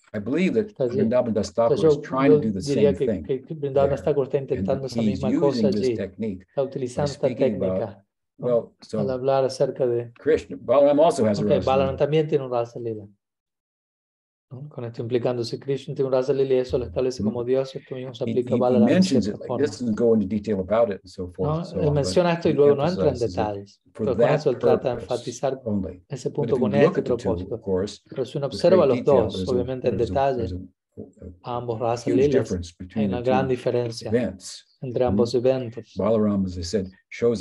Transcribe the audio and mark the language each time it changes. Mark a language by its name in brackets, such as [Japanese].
[English] I believe that Vrindavan Das Thakur is trying to do the same thing. [Spanish] Vrindavan Das Thakur está intentando esa misma cosa allí. [English] He's using this technique. [Spanish] Está utilizando esta técnica. [English] Well, so [Spanish] al hablar acerca de [English] Krishna, Balaram also has a [Spanish] Rasa Lila. Balaram también tiene un Rasa Lila. Con esto implicando si Krishna tiene un Rasa Lila y eso lo establece como Dios, esto mismo se aplica a Balaram. [English] He mentions it. This doesn't go into detail about it and so forth. [Spanish] Él menciona esto y luego no entra en detalles. Pero con eso él trata de enfatizar ese punto con este propósito. Pero si uno observa los dos, obviamente en detalle, a ambos Rasa Lilas, hay una gran diferencia entre ambos eventos. [English] Balaram, as I said, shows